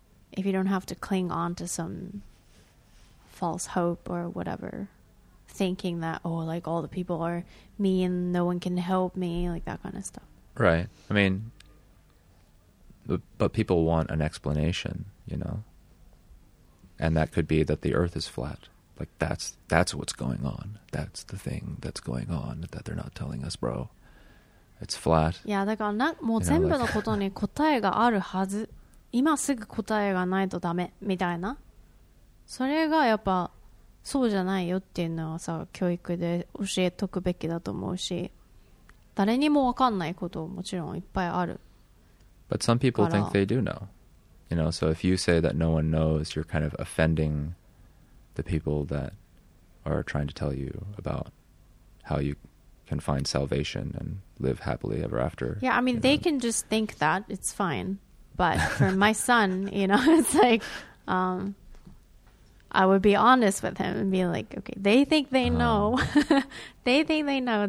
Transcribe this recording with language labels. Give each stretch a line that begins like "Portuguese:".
English: If you don't have to cling on to some false hope or whatever, thinking that, oh, like, all the people are mean, no one can help me, like that kind of stuff. Right. I mean, but people want an explanation, you know? And that could be that the earth is flat. Like, that's what's going on. That's the thing that's going on that they're not telling us, bro. It's flat.
Japanese: Yeah, だからもう全部のことに答えがあるはず。今すぐ答えがないとダメみたいな。それがやっぱそうじゃないよっていうのはさ、教育で教えとくべきだと思うし、誰にもわかんないことももちろんいっぱいある。
English: But some people think they do know. You know, so if you say that no one knows, you're kind of offending the people that are trying to tell you about how you can find salvation and live happily ever after. Yeah, I mean, they can just think that. It's fine. But for my son, you know, it's like, I would be honest with him and be like, okay, they think they know. They think they know.